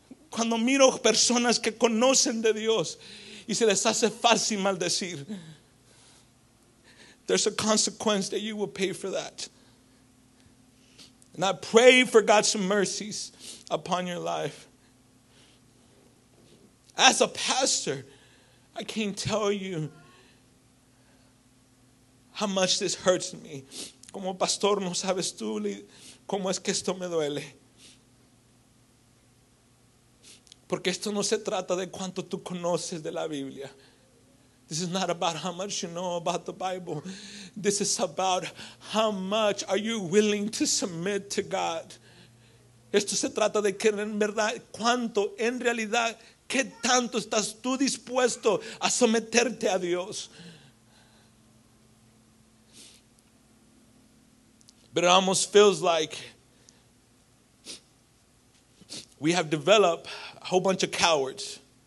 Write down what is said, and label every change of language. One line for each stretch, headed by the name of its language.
Spanish: Cuando miro personas que conocen de Dios y se les hace fácil maldecir.
English: There's a consequence that you will pay for that. And I pray for God's mercies upon your life. As a pastor, I can't tell you how much this hurts me.
Spanish: Como pastor, no sabes tú cómo es que esto me duele. Porque esto no se trata de cuánto tú conoces de la Biblia.
English: This is not about how much you know about the Bible. This is about how much are you willing to submit to God.
Spanish: Esto se trata de que en verdad, cuánto, en realidad, qué tanto estás tú dispuesto a someterte a Dios.
English: But it almost feels like we have developed a whole bunch of cowards.